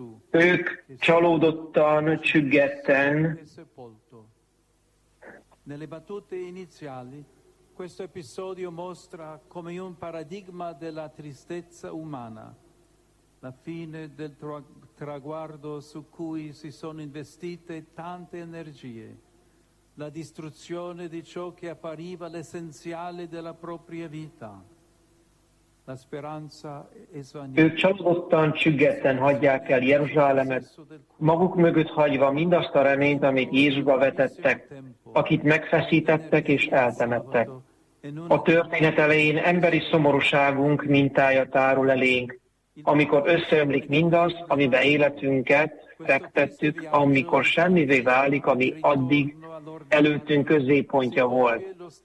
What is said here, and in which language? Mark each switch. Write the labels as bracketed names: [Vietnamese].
[Hungarian] Ők csalódottan, csüggetten, [Italian] nelle battute iniziali, questo episodio mostra come un paradigma della tristezza umana. la fine del traguardo su cui si sono investite tante energie, la distruzione di ciò che appariva l'essenziale della propria vita. La speranza è svanita. [Hungarian] Ők csalódottan, csüggetten hagyják el Jeruzsálemet, maguk mögött hagyva mindazt a reményt, amit Jézusba vetettek, akit megfeszítettek és eltemettek. A történet elején emberi szomorúságunk mintája tárul elénk, amikor összeömlik mindaz, amiben életünket fektettük, amikor semmivé válik, ami addig előttünk középpontja volt.